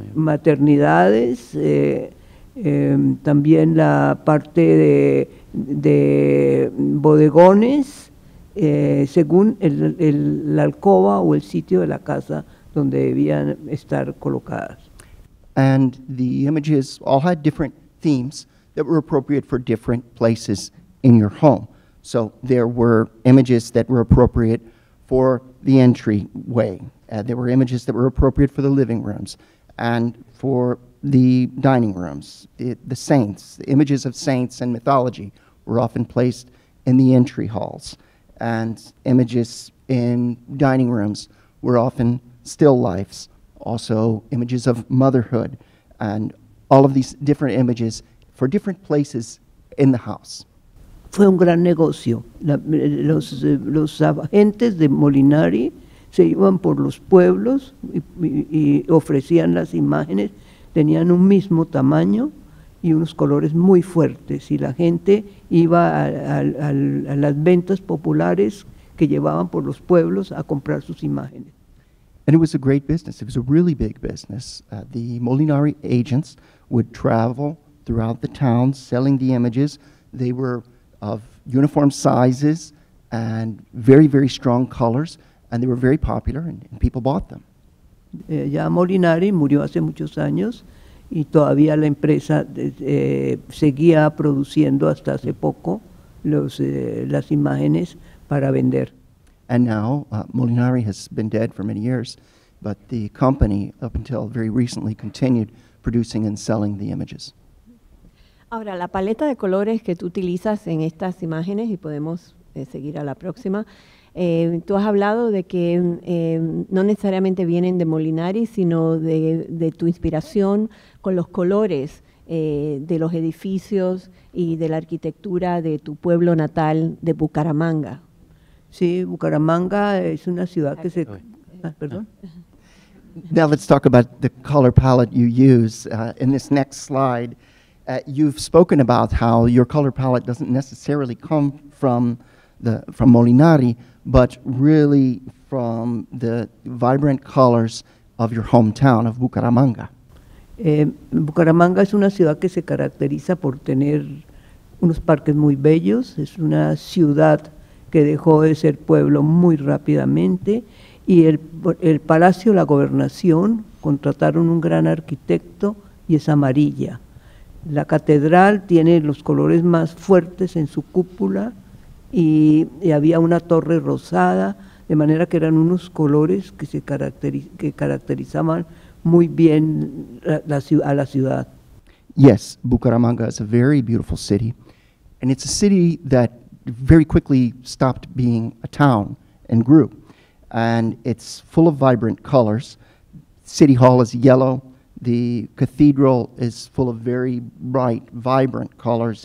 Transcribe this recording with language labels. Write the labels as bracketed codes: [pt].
[es] Maternidades, también la parte de bodegones, según la alcoba o el sitio de la casa donde debían estar colocadas. [en] And the images all had different themes that were appropriate for different places in your home. So there were images that were appropriate for the entryway. There were images that were appropriate for the living rooms and for the dining rooms. The saints, the images of saints and mythology were often placed in the entry halls. And images in dining rooms were often still lifes. Also images of motherhood and all of these different images for different places in the house. [es] Fue un gran negocio. Los agentes de Molinari se iban por los pueblos y ofrecían las imágenes. Tenían un mismo tamaño y unos colores muy fuertes. Y la gente iba a las ventas populares que llevaban por los pueblos a comprar sus imágenes. [en] And it was a great business. It was a really big business. The Molinari agents would travel throughout the town selling the images. They were of uniform sizes and very, very strong colors, and they were very popular, and people bought them. [es] Ya Molinari murió hace muchos años, y todavía la empresa seguía produciendo hasta hace poco las imágenes para vender. [en] And now, Molinari has been dead for many years, but the company, up until very recently, continued producing and selling the images. [es] Ahora, la paleta de colores que tú utilizas en estas imágenes, y podemos seguir a la próxima, tú has hablado de que no necesariamente vienen de Molinari, sino de tu inspiración con los colores de los edificios y de la arquitectura de tu pueblo natal de Bucaramanga. Sí, Bucaramanga es una ciudad que se... perdón. [en] Now let's talk about the color palette you use in this next slide. You've spoken about how your color palette doesn't necessarily come from Molinari, but really from the vibrant colors of your hometown of Bucaramanga. [es] Bucaramanga es una ciudad que se caracteriza por tener unos parques muy bellos. Es una ciudad que dejó de ser pueblo muy rápidamente, y el Palacio de la Gobernación contrataron un gran arquitecto y es amarilla. La catedral tiene los colores más fuertes en su cúpula y había una torre rosada, de manera que eran unos colores que caracterizaban muy bien a la ciudad. [en] Yes, Bucaramanga is a very beautiful city, and it's a city that very quickly stopped being a town and grew, and it's full of vibrant colors. City Hall is yellow. The cathedral is full of very bright, vibrant colors.